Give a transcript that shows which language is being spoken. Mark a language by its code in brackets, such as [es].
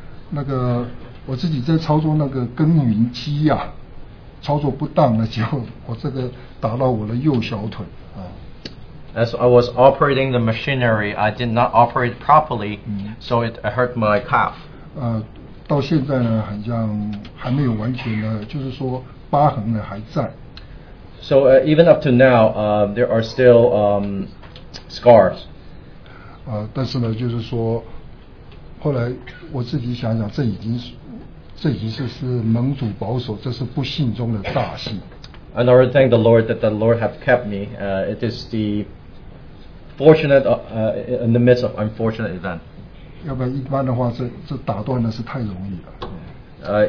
[zh] 那个我自己在操作那个耕耘机啊，操作不当了，结果我这个打到我的右小腿啊。 [en] as I was operating the machinery, I did not operate properly, so it hurt my calf. [zh] 到现在呢，好像还没有完全的，就是说疤痕呢还在。 [en] So even up to now, there are still scars. [zh] 但是呢，就是说，后来我自己想想，这已经是蒙主保守，这是不幸中的大幸。 [en] And I already thank the Lord that the Lord have kept me. It is the fortunate in the midst of unfortunate event. [zh] 要不然一般的话，这打断的是太容易了。